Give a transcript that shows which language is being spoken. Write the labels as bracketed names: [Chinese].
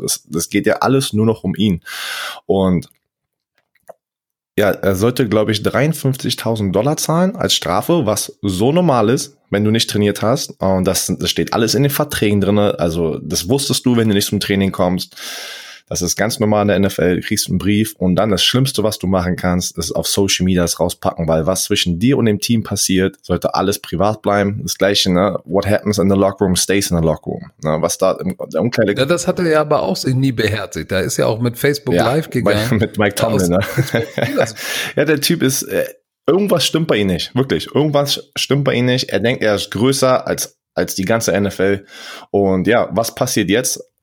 [German] Das geht ja alles nur noch um ihn. Und ja, er sollte, glaube ich, $53,000 zahlen als Strafe, was so normal ist, wenn du nicht trainiert hast. Und das steht alles in den Verträgen drin. Also das wusstest du, wenn du nicht zum Training kommst. Das ist ganz normal in der NFL, du kriegst einen Brief und dann das Schlimmste, was du machen kannst, ist auf Social Media das rauspacken, weil was zwischen dir und dem Team passiert, sollte alles privat bleiben. Das Gleiche, ne? [English] What happens in the locker room stays in the locker room. [German] Ne? Was da im Umkleide. Ja, das hat er ja aber auch sich nie beherzigt. Da ist ja auch mit Facebook ja, Live gegangen. Mit Mike Tomlin, ne? Ja, der Typ ist, irgendwas stimmt bei ihm nicht. Wirklich, irgendwas stimmt bei ihm nicht. Er denkt, er ist größer als die ganze NFL. Und ja, was passiert jetzt?